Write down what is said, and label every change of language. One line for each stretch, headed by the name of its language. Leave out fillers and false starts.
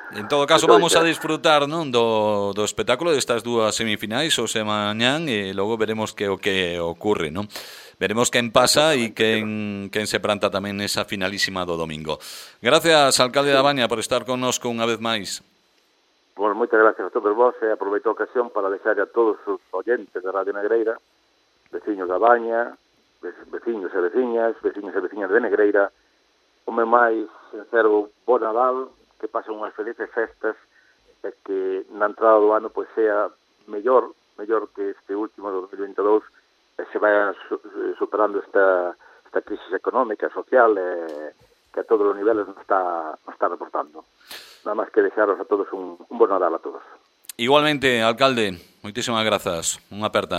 Spanish: En todo caso, vamos a disfrutar, ¿no?,
Galician: do espectáculo de estas dúas semifinais,
Spanish: o sea, mañán, y luego veremos qué ocurre, ¿no? Veremos quién pasa y quién se planta también esa finalísima
Galician: do domingo.
Spanish: Gracias, alcalde de Abaña, por estar con nosotros una vez más. Bueno, muchas gracias a todos vos.
Galician: Aproveito a ocasión para desear a todos os oyentes de Radio Negreira, veciños da Baña, veciños e veciñas de Negreira, o meu máis sincero bo Nadal, que pasen unhas felices festas e que na entrada do ano pois sea mellor que este último 2022 e
Spanish: se vaya superando esta crisis económica,
Galician: social, que a todos os niveles nos está reportando.
Spanish: Nada más que desearos a todos un buen Nadal a todos. Igualmente, alcalde, muchísimas gracias.
Galician: Un aperta.